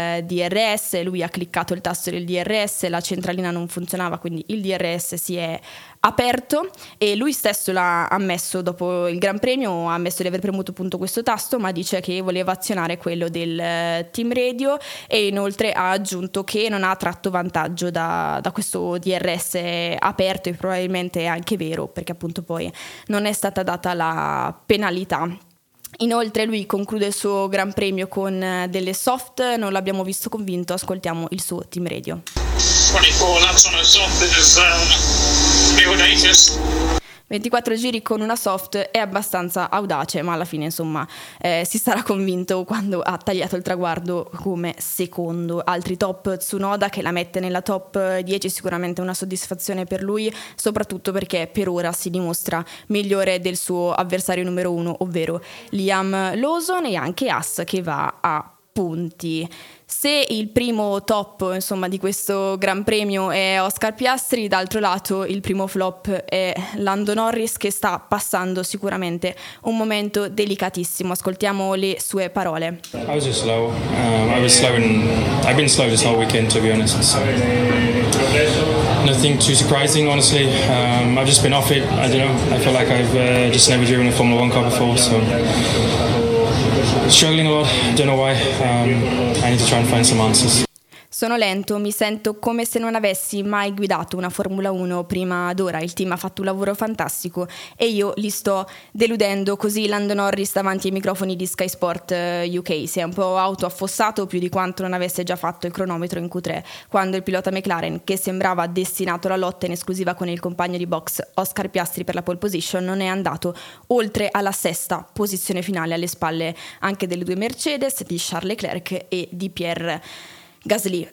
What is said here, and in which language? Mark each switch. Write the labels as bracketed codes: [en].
[it] DRS, lui ha cliccato il tasto del DRS, la centralina non funzionava, quindi il DRS si è aperto e lui stesso l'ha ammesso dopo il Gran Premio, ha ammesso di aver premuto appunto questo tasto, ma dice che voleva azionare quello del team radio, e inoltre ha aggiunto che non ha tratto vantaggio da questo DRS aperto, e probabilmente è anche vero perché appunto poi non è stata data la penalità. Inoltre lui conclude il suo Gran Premio con delle soft, non l'abbiamo visto convinto, ascoltiamo il suo team radio. [en] 24 laps on a soft is audacious. [it] 24 giri con una soft è abbastanza audace, ma alla fine insomma si sarà convinto quando ha tagliato il traguardo come secondo. Altri top: Tsunoda, che la mette nella top 10, sicuramente una soddisfazione per lui, soprattutto perché per ora si dimostra migliore del suo avversario numero 1, ovvero Liam Lawson, e anche Haas che va a punti. Se il primo top insomma di questo Gran Premio è Oscar Piastri, d'altro lato il primo flop è Lando Norris, che sta passando sicuramente un momento delicatissimo. Ascoltiamo le sue parole. [en] I was just slow. I was slow and I've been slow this whole weekend, to be honest. So, nothing too surprising, honestly. I've just been off it. I don't know. I feel like I've just never driven a Formula One car before, so struggling a lot, don't know why. I need to try and find some answers. [it] Sono lento, mi sento come se non avessi mai guidato una Formula 1 prima d'ora. Il team ha fatto un lavoro fantastico e io li sto deludendo. Così Lando Norris davanti ai microfoni di Sky Sport UK. Si è un po' autoaffossato, più di quanto non avesse già fatto il cronometro in Q3, quando il pilota McLaren, che sembrava destinato alla lotta in esclusiva con il compagno di box Oscar Piastri per la pole position, non è andato oltre alla sesta posizione finale, alle spalle anche delle due Mercedes, di Charles Leclerc e di Pierre Gasly.